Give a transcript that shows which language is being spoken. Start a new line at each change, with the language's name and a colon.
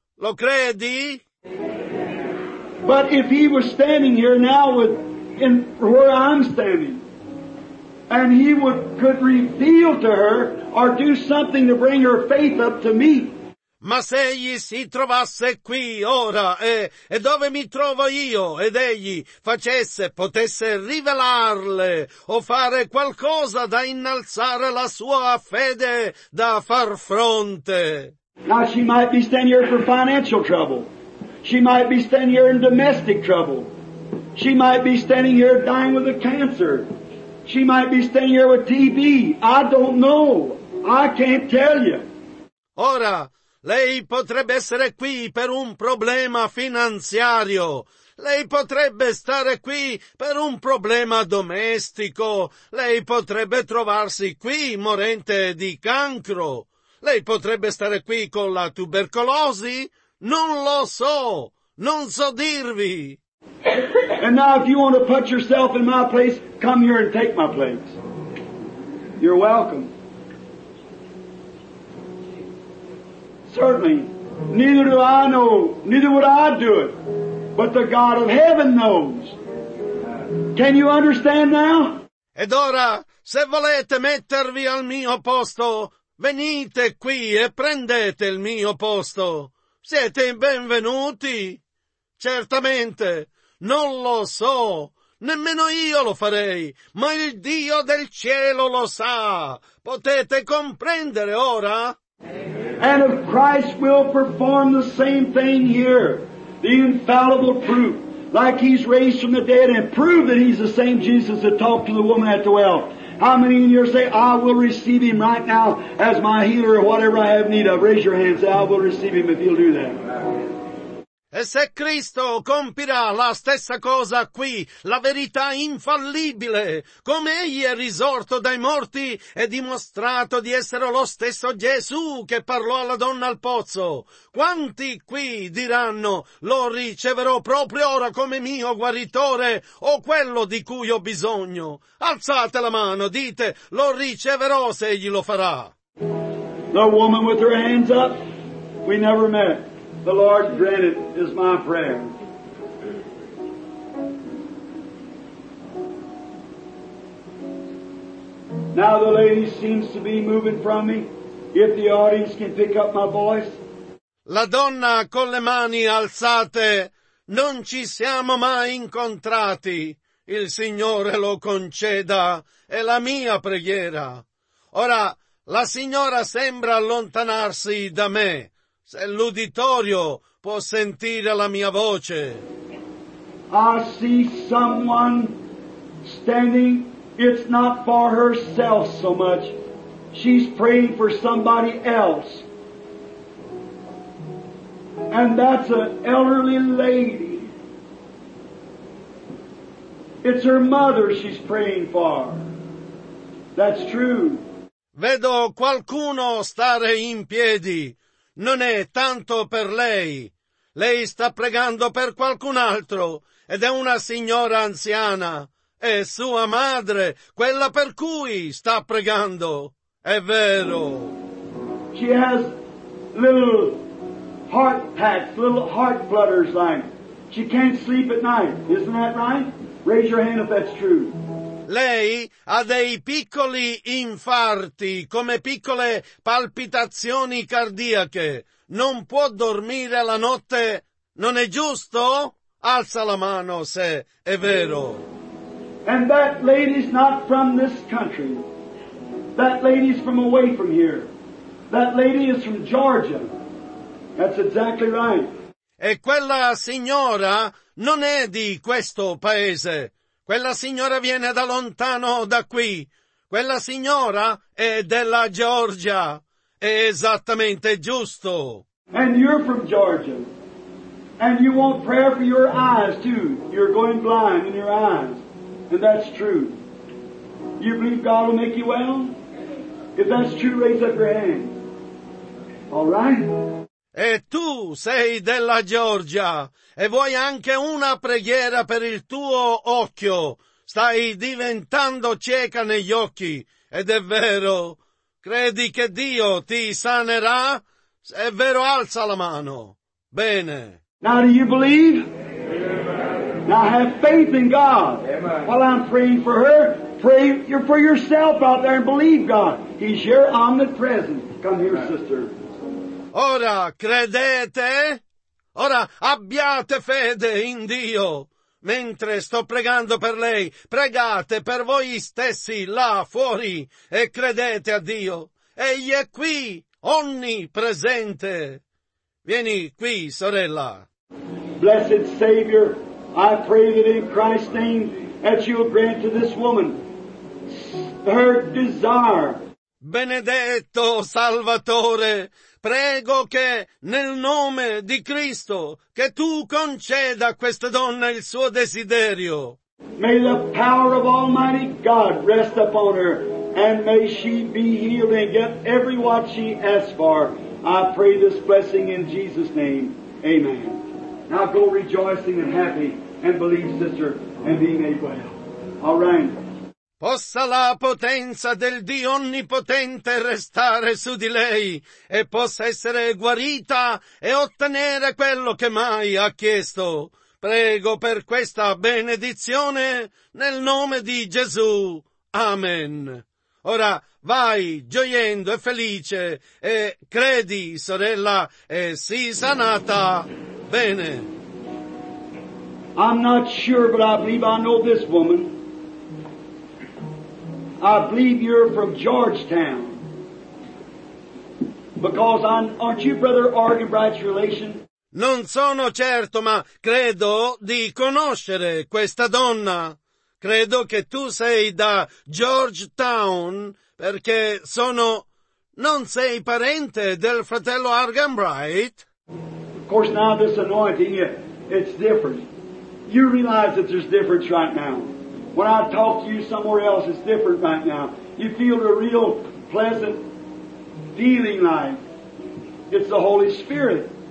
Italian: Lo credi?
English: But if he was standing here now with, in where I'm standing, and he would, could reveal to her or do something to bring her faith up to me.
Italian: Ma se egli si trovasse qui ora e dove mi trovo io ed egli facesse, potesse rivelarle o fare qualcosa da innalzare la sua fede da far fronte.
English: Now she might be standing here for financial trouble. She might be standing here in domestic trouble. She might be standing here dying with a cancer. She might be standing here with TB. I don't know. I can't tell you.
Italian: Ora, lei potrebbe essere qui per un problema finanziario. Lei potrebbe stare qui per un problema domestico. Lei potrebbe trovarsi qui morente di cancro. Lei potrebbe stare qui con la tubercolosi? Non lo so! Non so dirvi!
English: And now if you want to put yourself in my place, come here and take my place. You're welcome. Certainly, neither do I know, neither would I do it, but the God of heaven knows. Can you understand now?
Italian: Ed ora, se volete mettervi al mio posto, venite qui e prendete il mio posto. Siete benvenuti? Certamente. Non lo so, nemmeno io lo farei, ma il Dio del cielo lo sa. Potete comprendere ora?
English: And if Christ will perform the same thing here, the infallible proof, like he's raised from the dead and prove that he's the same Jesus that talked to the woman at the well. How many in here say, I will receive him right now as my healer or whatever I have need of? Raise your hand and say, I will receive him if you'll do that.
Italian: E se Cristo compirà la stessa cosa qui, la verità infallibile, come egli è risorto dai morti e dimostrato di essere lo stesso Gesù che parlò alla donna al pozzo, quanti qui diranno, lo riceverò proprio ora come mio guaritore o quello di cui ho bisogno? Alzate la mano, dite, lo riceverò se egli lo farà.
English: The woman with her hands up, we never met. The Lord granted is my prayer. Now the lady seems to be moving from me. If the audience can pick up my voice.
Italian: La donna con le mani alzate, non ci siamo mai incontrati. Il Signore lo conceda, è la mia preghiera. Ora, la signora sembra allontanarsi da me. Se l'uditorio può sentire la mia voce.
English: I see someone standing. It's not for herself so much. She's praying for somebody else. And that's an elderly lady. It's her mother she's praying for. That's true.
Italian: Vedo qualcuno stare in piedi. Non è tanto per lei. Lei sta pregando per qualcun altro, ed è una signora anziana. È sua madre, quella per cui sta pregando. È vero.
English: She has little heart packs, little heart flutters like. She can't sleep at night. Isn't that right? Raise your hand if that's true.
Italian: Lei ha dei piccoli infarti, come piccole palpitazioni cardiache. Non può dormire la notte, non è giusto? Alza la mano se è vero.
English: And that lady's not from this country. That lady's from away from here. That lady is from Georgia. That's exactly right.
Italian: E quella signora non è di questo paese. Quella signora viene da lontano, da qui. Quella signora è della Georgia. È esattamente giusto.
English: And you're from Georgia. And you want prayer for your eyes too. You're going blind in your eyes. And that's true. You believe God will make you well? If that's true, raise up your hand. All right?
Italian: E tu sei della Georgia e vuoi anche una preghiera per il tuo occhio. Stai diventando cieca negli occhi, ed è vero. Credi che Dio ti sanerà? Se è vero, alza la mano. Bene.
English: Now do you believe? Now have faith in God. While I'm praying for her, pray for yourself out there and believe God. He's here omnipresent. Come here, sister.
Italian: Ora credete? Ora abbiate fede in Dio. Mentre sto pregando per lei, pregate per voi stessi là fuori e credete a Dio. Egli è qui, onnipresente. Vieni qui, sorella.
English: Blessed Savior, I pray that in Christ's name that you'll grant to this woman her desire.
Italian: Benedetto Salvatore, prego che, nel nome di Cristo, che tu conceda a questa donna il suo desiderio.
English: May the power of Almighty God rest upon her and may she be healed and get every what she asks for. I pray this blessing in Jesus' name. Amen. Now go rejoicing and happy and believe, sister, and be made well. All right.
Italian: Possa la potenza del Dio Onnipotente restare su di lei e possa essere guarita e ottenere quello che mai ha chiesto. Prego per questa benedizione nel nome di Gesù. Amen. Ora vai gioiendo e felice e credi, sorella, e sii sanata. Bene.
English: I'm not sure, but I believe I know this woman. I believe you're from Georgetown. Because aren't you Brother Argenbright's relation?
Italian: Non sono certo, ma credo di conoscere questa donna. Credo che tu sei da Georgetown, perché sono... Non sei parente del fratello Argenbright?
English: Of course, now this anointing, it's different. You realize that there's difference right now. When I talk to you somewhere else, it's different right now. You feel a real pleasant feeling like it's the Holy Spirit.